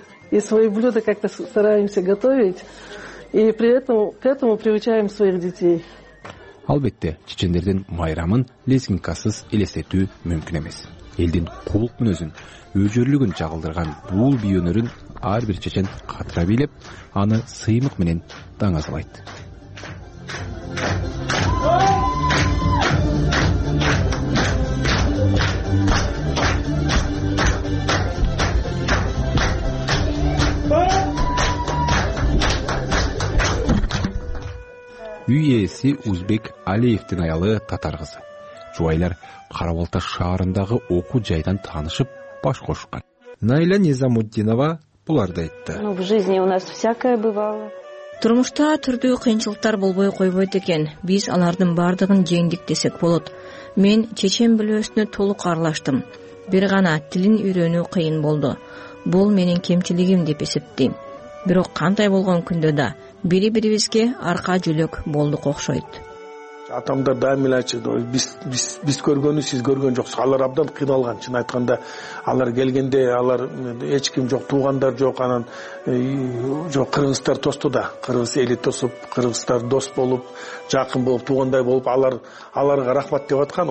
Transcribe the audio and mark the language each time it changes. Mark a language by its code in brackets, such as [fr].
[ru] И свои блюда как-то стараемся готовить и при этом к этому приучаем своих детей. [ky] Албетте, чечендердин майрамын лезгинкасыз элестетүү мүмкүн эмес. Элдин кулук мүнөзүн, өжөрлүгүн чагылдырган бул бий өнөрүн ар бир чечен катыра билеп, аны сыймык менен даңазалайт. Үй ээси Узбек Алиевдин аялы татар кызы. Жубайлар Кара Балта шаарындагы окуу жайдан таанышып баш кошушкан. Наиля Низамутдинова буларды айтты. [ru] В жизни у нас всякое бывало. [ky] Турмушта түрдүү кыйынчылыктар болбой койбойт экен. Биз алардын бардыгын жеңдик десек болот. Мен чечен билөөсүнө толук аралаштым. Бир гана тилин үйрөнүү кыйын болду. Бул менин кемчилигим деп эсептейм. Бирок кандай болгон күндө да бири-бирибизге арка жүлөк болдук окшойт. атамдар дайым эле айтышат, биз көргөнү сиз көргөн жоксуз. Алар абдан кыйналган, чын айтканда алар келгенде алар эч ким жок, туугандар жок, анан жок кыргыздар тосту да, кыргыз эли тосуп, кыргыздар дос болуп, жакын болуп, туугандай болуп аларга рахмат деп аткан.